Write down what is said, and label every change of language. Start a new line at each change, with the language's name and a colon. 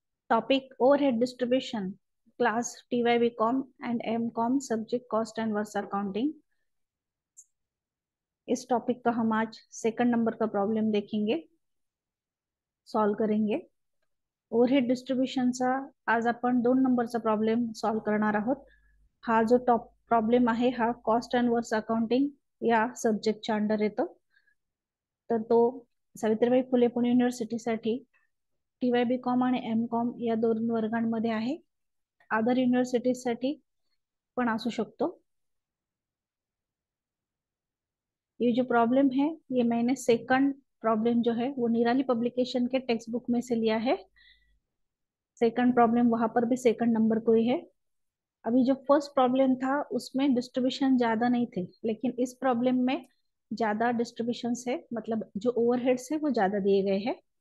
English: Topic overhead distribution, class TYB com and M com, subject cost and works accounting.
Hindi: इस topic का हम आज second number का problem देखेंगे, सॉल्व करेंगे।
Marathi: ओवरहेड डिस्ट्रीब्यूशन सा आज अपन दोन नंबर सा प्रॉब्लम सॉल्व करना आहोत। हा जो टॉप प्रॉब्लम आहे हा कॉस्ट एंड वर्स अकाउंटिंग या सब्जेक्टच्या अंडर येतो। तर तो सावित्रीबाई फुले पुणे युनिव्हर्सिटीसाठी टीवायबी कॉम आणि एम कॉम या दोन वर्गांमध्ये आहे, अदर युनिव्हर्सिटीजसाठी पण असू शकतो।
Hindi: ये जो प्रॉब्लेम है ये मैंने सेकंड प्रॉब्लेम जो है वो निराली पब्लिकेशन के टेक्स्ट बुक में से लिया है। सेकंड प्रॉब्लम वहां पर भी सेकंड नंबर को ही है। अभी जो फर्स्ट प्रॉब्लम था उसमें डिस्ट्रीब्यूशन ज्यादा नहीं थे, लेकिन इस प्रॉब्लम में ज्यादा डिस्ट्रीब्यूशन है, मतलब जो ओवरहेड्स है वो ज्यादा दिए गए हैं।